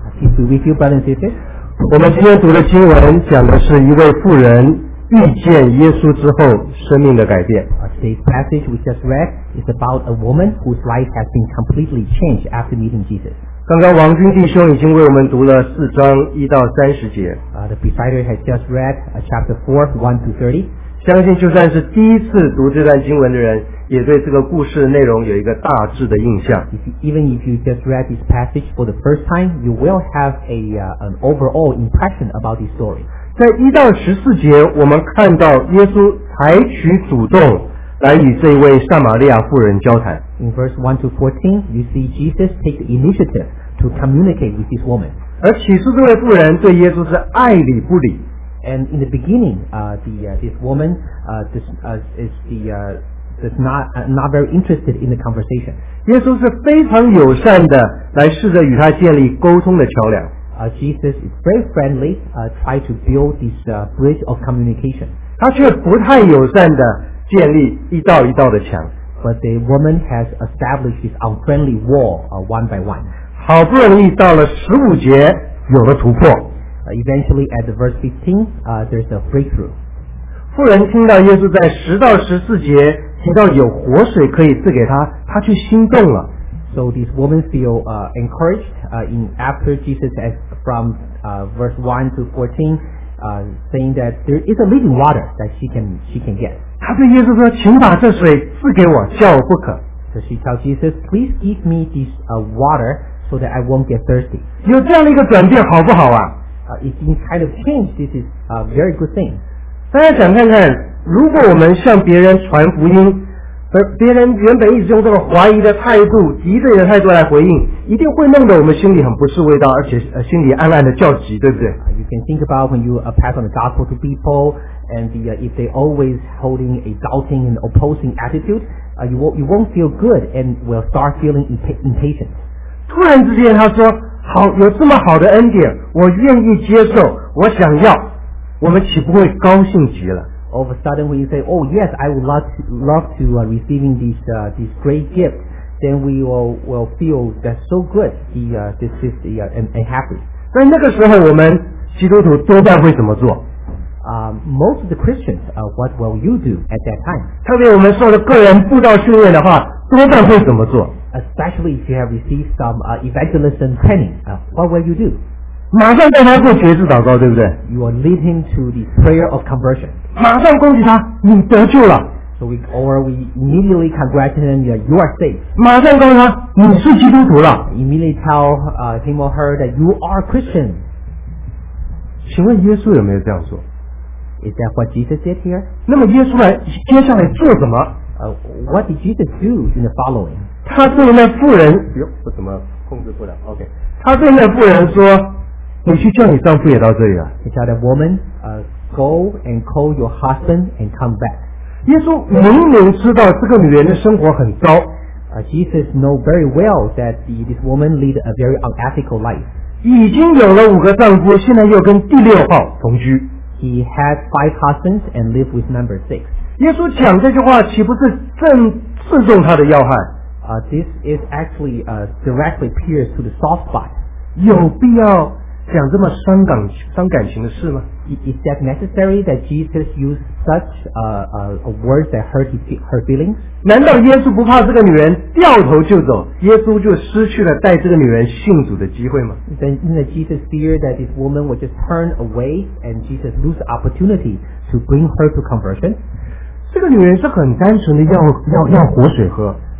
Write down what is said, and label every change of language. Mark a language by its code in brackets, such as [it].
[zh] 我们今天读的经文讲的是一位妇人遇见耶稣之后生命的改变。 [en] Today's passage we just read is about a woman whose life has been completely changed after meeting Jesus. [zh] 刚刚王军弟兄已经为我们读了四章一到三十节。 [en] The presider has just read chapter 4, 1 to 30. [zh] 相信就算是第一次读这段经文的人，也对这个故事内容有一个大致的印象。 [en] Even if you just read this passage for the first time, you will have an overall impression about this story. [zh] 在一到十四节，我们看到耶稣采取主动来与这位撒玛利亚妇人交谈。 [en] In verse 1 to 14, you see Jesus take the initiative to communicate with this woman. [zh] 而起初这位妇人对耶稣是爱理不理。 [en] And in the beginning, this woman is not very interested in the conversation. [zh] 耶稣是非常友善的来试着与她建立沟通的桥梁。 [en] Jesus is very friendly, try to build this bridge of communication. [zh] 他却不太友善的建立一道一道的墙。 [en] But the woman has established this unfriendly wall, one by one. [zh] 好不容易到了十五节有了突破。 [en] Eventually at the verse 15, there's a breakthrough. [zh] 妇人听到耶稣在十到十四节提到有活水可以赐给她，她却心动了。 [en] So this woman feel encouraged in after Jesus has from verse 1 to 14 saying that there is a living water that she can get. [zh] 她对耶稣说，请把这水赐给我，叫我不渴。 [en] So she tells Jesus, please give me this water so that I won't get thirsty. [zh] 有这样的一个转变好不好啊？ [en] It's been kind of changed. This is a very good thing. [zh] 大家想看看，如果我们向别人传福音，而别人原本一直用这个怀疑的态度、敌对的态度来回应，一定会弄得我们心里很不是味道，而且心里暗暗的叫急，对不对？ [en] You can think about when you pass on the gospel to people, and if they always holding a doubting and opposing attitude, you won't feel good and will start feeling impatient. [zh] 突然之间，他说：“好，有这么好的恩典，我愿意接受，我想要。” 我们岂不会高兴极了？ [en] All of a sudden when you say, oh yes, I would love to receiving this great gift, then we will feel that so good, and happy. [zh] 在那个时候我们基督徒多半会怎么做？ [en] Most of the Christians, what will you do at that time? [zh] 特别我们受了个人布道训练的话，多半会怎么做？ [en] Especially if you have received some evangelism training, what will you do? [zh] 马上带他做决志祷告，对不对？ [en] You will lead him to the prayer of conversion. [zh] 马上恭喜他，你得救了。 [en] So we immediately congratulate him that you are saved. [zh] 马上告诉他，你是基督徒了。 [en] Immediately tell him or her that you are Christian. [zh] 请问耶稣有没有这样说？ [en] Is that what Jesus did here? [zh] 那么耶稣来接下来做什么？ [en] What did Jesus do in the following? [zh] 他对那妇人，哟，我怎么控制不了 ？OK， 他对那妇人说。你去叫你丈夫也到这里了。 [en] He said, "Woman, go and call your husband and come back." [zh] 耶稣明明知道这个女人的生活很糟。 [en] Jesus know very well that this woman lead a very unethical life. [zh] 已经有了五个丈夫，现在又跟第六号同居。 [en] He had five husbands and lived with number six. [zh] 耶稣讲这句话，岂不是正刺中他的要害？ [en] This is actually directly pierced to the soft spot. [zh] 有必要讲这么伤感情的事吗？ [en] Is that necessary that Jesus used such a word that hurt her feelings? [zh] 难道耶稣不怕这个女人掉头就走，耶稣就失去了带这个女人信主的机会吗？ [en] Then isn't Jesus fear that this woman would just turn away and Jesus lose the opportunity to bring her to conversion? [zh] 这个女人是很单纯的要活水喝。